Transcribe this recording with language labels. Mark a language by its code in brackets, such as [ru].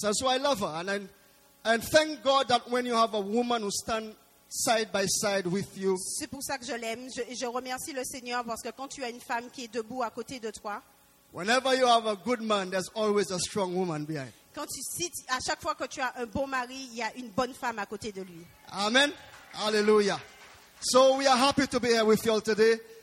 [en] That's why I love her, and thank God that when you have a woman who stands side by side with you. [fr] C'est pour ça que je l'aime. Je remercie le Seigneur parce que quand tu as une femme qui est debout à côté de toi. [en] Whenever you have a good man, there's always a strong woman behind. [fr] Quand tu cites, à chaque fois que tu as un bon mari, il y a une bonne femme à côté de lui. Amen. Hallelujah. [en] So we are happy to be here with you all today.